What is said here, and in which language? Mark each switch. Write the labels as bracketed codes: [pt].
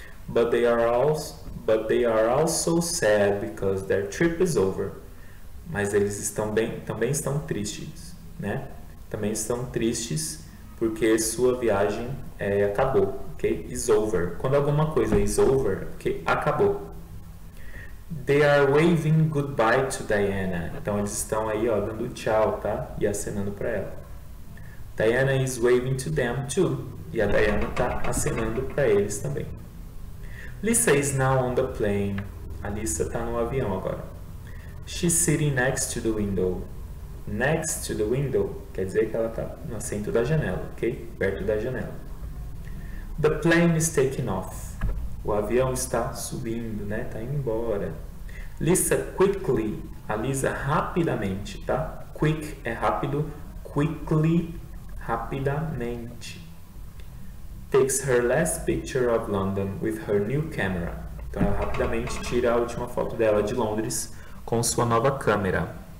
[en] But they are also sad because their trip is over. [pt] Mas eles estão bem, também estão tristes, né? Também estão tristes porque sua viagem acabou. Okay? [en] Is over. [pt] Quando alguma coisa [en] is over, okay? [pt] Acabou. [en] They are waving goodbye to Diana. [pt] Então eles estão aí, ó, dando tchau, tá? E acenando para ela. [en] Diana is waving to them too. [pt] E a Diana tá acenando para eles também. [en] Lisa is now on the plane. [pt] A Lisa tá no avião agora. [en] She's sitting next to the window. [pt] Next to the window quer dizer que ela tá no assento da janela, ok? Perto da janela. [en] The plane is taking off. [pt] O avião está subindo, né? Está indo embora. [en] Lisa quickly. [pt] A Lisa rapidamente, tá? Quick é rápido. Quickly, rapidamente. [en] Takes her last picture of London with her new camera. [pt] Então, ela rapidamente tira a última foto dela de Londres com sua nova câmera.